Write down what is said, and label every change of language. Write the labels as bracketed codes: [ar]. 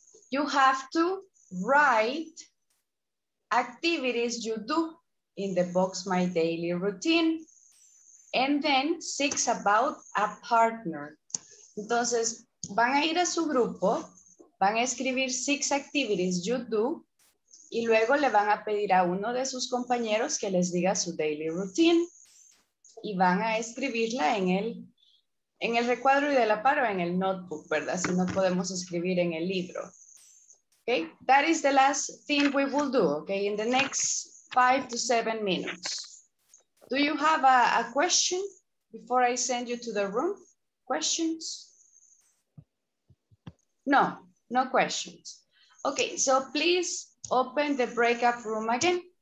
[en] You have to write activities you do in the box, my daily routine. And then, 6 about a partner. [es] Entonces, van a ir a su grupo, van a escribir 6 [en] activities you do, [es] y luego le van a pedir a uno de sus compañeros que les diga su daily routine y van a escribirla en el recuadro y de la par o en el notebook, ¿verdad? Si no podemos escribir en el libro. [en] Okay, that is the last thing we will do, okay, in the next 5 to 7 minutes. Do you have a question before I send you to the room? Questions? No, no questions. Okay, so please open the breakout room again.